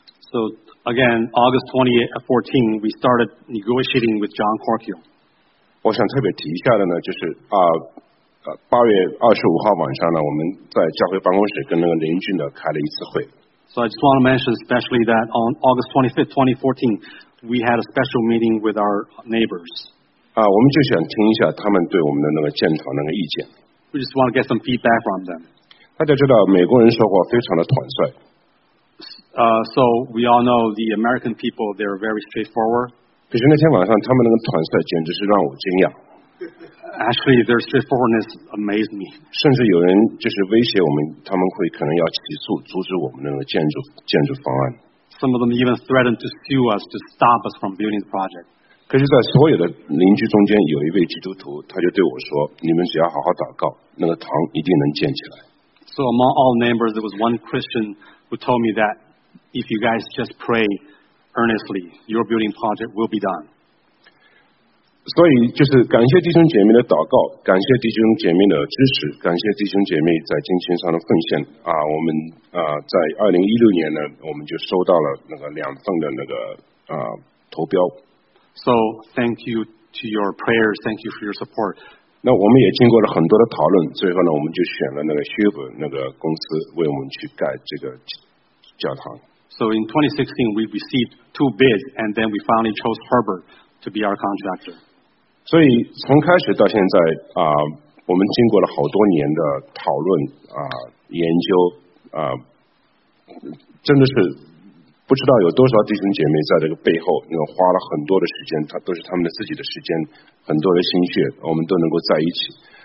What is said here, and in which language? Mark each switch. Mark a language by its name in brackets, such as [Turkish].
[English] So again, August 2014, we started negotiating with John Corkill. [Chinese] 我想特别提一下的呢，就是8月25号晚上呢，我们在教会办公室跟那个邻居呢开了一次会。 [English] So I just want to mention especially that on August 25th, 2014, we had a special meeting with our neighbors. [Chinese] 我们就想听一下他们对我们的那个建厂那个意见。 [English] We just want to get some feedback from them. [Chinese] 大家知道美国人说话非常的坦率。 [English] So we all know the American people, they're very straightforward. [Chinese] 可是那天晚上他们那个坦率简直是让我惊讶。 [English] Actually, their straightforwardness amazed me. [Chinese] 甚至有人就是威胁我们，他们会可能要起诉，阻止我们那个建筑方案。 [English] Some of them even threatened to sue us to stop us from building the project. [Chinese] 可是在所有的邻居中间，有一位基督徒，他就对我说：“你们只要好好祷告，那个堂一定能建起来。” [English] So among all neighbors, there was one Christian who told me that if you guys just pray earnestly, your building project will be done. [Chinese] 所以就是感谢弟兄姐妹的祷告，感谢弟兄姐妹的支持，感谢弟兄姐妹在金钱上的奉献我们在2016年呢，我们就收到了那个2份的那个投标。 [English] So thank you to your prayers, thank you for your support. [Chinese] 那我们也经过了很多的讨论，最后呢，我们就选了那个 Huber 那个公司为我们去盖这个教堂。 [English] So in 2016, we received 2 bids, and then we finally chose Herbert. To be our contractor. [Chinese] 所以从开始到现在我们经过了好多年的讨论研究真的是不知道有多少弟兄姐妹在这个背后花了很多的时间，他都是他们的自己的时间，很多的心血，我们都能够在一起。